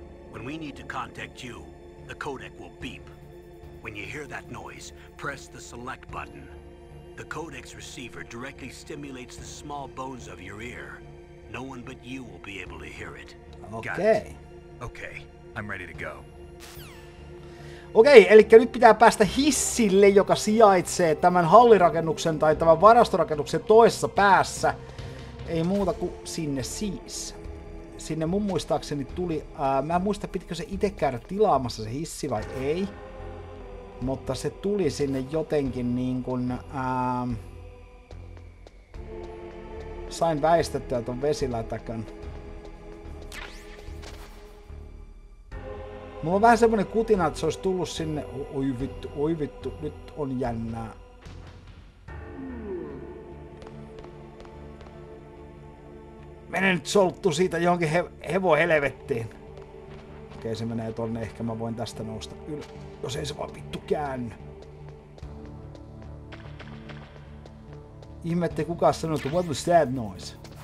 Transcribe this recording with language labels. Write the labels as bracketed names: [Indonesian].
[English] When we need to contact you, the codec will beep. When you hear that noise, press the select button. The codec's receiver directly stimulates the small bones of your ear. No one but you will be able to hear it. Okei. Okay, I'm ready to go. [Finnish] Okei, elikkä nyt pitää päästä hissille, joka sijaitsee tämän hallirakennuksen tai tämän varastorakennuksen toisessa päässä. Ei muuta kuin sinne siis. Sinne mun muistaakseni tuli, mä en muista, pitikö se itse käydä tilaamassa se hissi vai ei. Mutta se tuli sinne jotenkin niin kuin, sain väistettyä ton vesilätäkön. Mulla on vähän semmonen kutina, että se olisi tullut sinne. Oi vittu, nyt on jännää. Mene nyt solttu siitä johonkin hevohelvettiin. Okei, se menee tonne. Ehkä mä voin tästä nousta ylös. Jos ei se vaan vittu käänny. Ihmette, kuka on sanonut, [English] what was that noise?